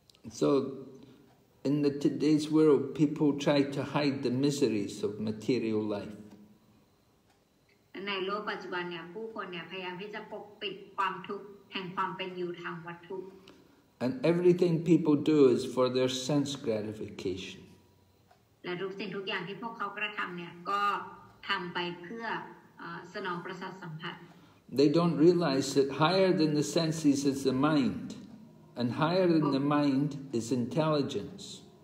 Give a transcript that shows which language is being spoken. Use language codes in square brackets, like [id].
[en] So, in the today's world, people try to hide the miseries of material life. [th] ในโลกปัจจุบันเนี่ยผู้คนเนี่ยพยายามที่จะปกปิดความทุกข์แห่งความเป็นอยู่ทางวัตถุ [en] And everything people do is for their sense gratification. They don't realize that higher than the senses is the mind, and higher than the mind is intelligence.